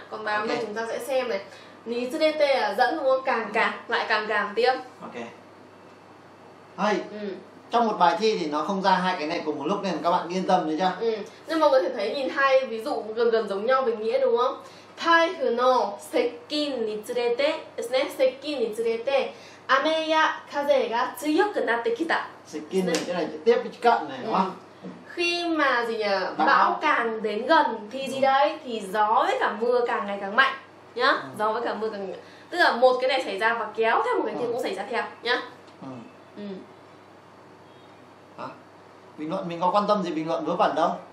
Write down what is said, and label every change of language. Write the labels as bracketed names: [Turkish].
[Vietnamese] Còn bài hôm nay chúng ta sẽ xem này. Ni tsurete là dẫn đúng không? Càng tiếp. Ok. Hay. Trong một bài thi thì nó không ra hai cái này cùng một lúc nên các bạn yên tâm đấy chưa? Ừ. Nhưng mọi người thể thấy nhìn hai ví dụ gần giống nhau về nghĩa đúng không? Tai hu no sekkin ni tsurete [Japanese] ですね. Sekkin ni tsurete 雨や風が強くなってきた。接近ね、じゃない、 [Vietnamese] tiếp [Japanese] 近くね、わ。 [Vietnamese] Khi mà gì nhỉ? Bão càng đến gần thì gì đấy? Thì gió với cả mưa càng ngày càng mạnh, nhá. Gió với cả mưa càng, tức là một cái này xảy ra và kéo theo một cái kia cũng xảy ra theo, nhá. Bình luận mình có quan tâm gì bình luận vớ vẩn đâu?